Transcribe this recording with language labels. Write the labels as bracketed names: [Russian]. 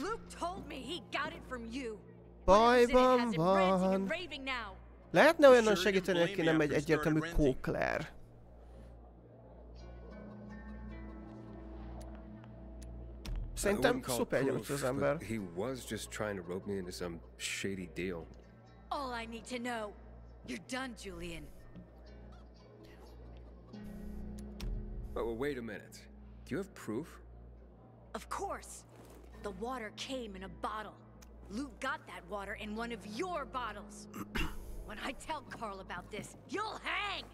[English] Luke told me he got it from you. [Hungarian] Bajban van. Lehetne olyan segíteni, aki nem egy egyértelmű kókler. Szerintem szuper gyönyörű az ember. [English] He was just trying to rope me into some shady deal. All I need to know, you're done, Julian. Oh, well, wait a minute. Do you have proof? Of course. The water came in a bottle. Luke got that water in one of your bottles. When I tell Carl about this, you'll hang.